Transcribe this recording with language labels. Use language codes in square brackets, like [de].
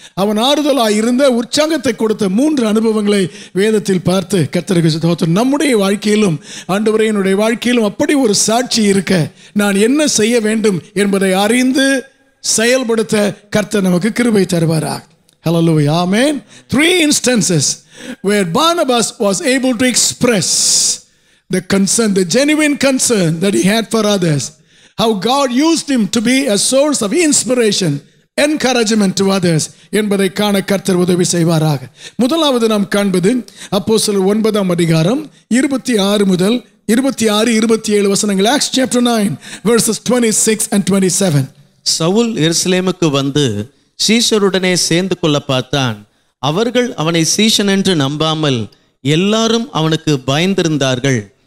[ta] அவன் ஆறுதலாக இருந்த உற்சாகத்தை கொடுத்த மூன்று அனுபவங்களை வேதத்தில் பார்த்து கர்த்தருக்கு ஸ்தோத்திரம். நம்முடைய வாழ்க்கையிலும் ஆண்டவரேனுடைய வாழ்க்கையிலும் அப்படி ஒரு சாட்சி இருக்க, நான் என்ன செய்ய வேண்டும் என்பதை அறிந்து செயல்படுத்த கர்த்தர் நமக்கு கிருபை தருவாரா? ஹல்லேலூயா, ஆமென். [en] three instances where Barnabas was able to express the concern, the genuine concern that he had for others, how God used him to be a source of inspiration, encouragement to others [ta] என்பதை காண கர்த்தர் உதவி செய்வாராக. முதலாவது நாம் காண்பது அப்போஸ்தலர் 9:26-27 வசனங்கள். [en] Acts chapter 9 verses 26 and 27. [ta] Saul எருசலேமுக்கு வந்து சீஷருடனே சேர்ந்து கொள்ள பார்த்தான். அவர்கள் அவனை சீஷன் என்று நம்பாமல் எல்லாரும் அவனுக்கு பயந்திருந்தார்கள்.